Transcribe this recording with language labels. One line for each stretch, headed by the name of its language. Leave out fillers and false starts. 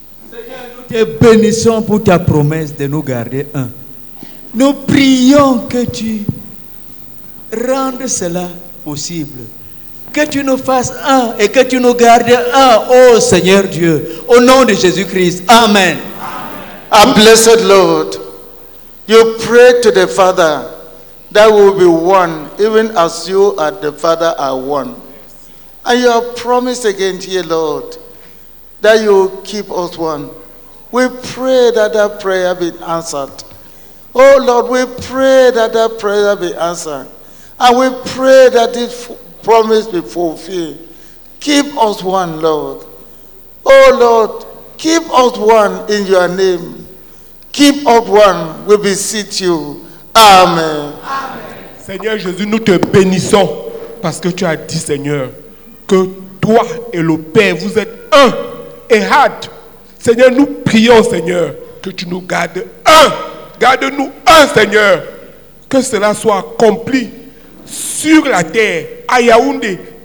French: Seigneur, nous te bénissons pour ta promesse de nous garder un. Nous prions que tu rendes cela possible. Que tu nous fasses un et que tu nous gardes un, ô Seigneur Dieu. Au nom de Jésus-Christ. Amen. Amen.
English: And blessed Lord, you pray to the Father. That will be one, even as you and the Father are one. And you have promised again here, Lord, that you will keep us one. We pray that that prayer be answered. Oh, Lord, we pray that that prayer be answered. And we pray that this promise be fulfilled. Keep us one, Lord. Oh, Lord, keep us one in your name. Keep us one, we beseech you. Amen. Amen.
French: Seigneur Jésus, nous te bénissons parce que tu as dit, Seigneur, que toi et le Père, vous êtes un et had. Seigneur, nous prions, Seigneur, que tu nous gardes un. Garde-nous un, Seigneur. Que cela soit accompli sur la terre, à Yaoundé,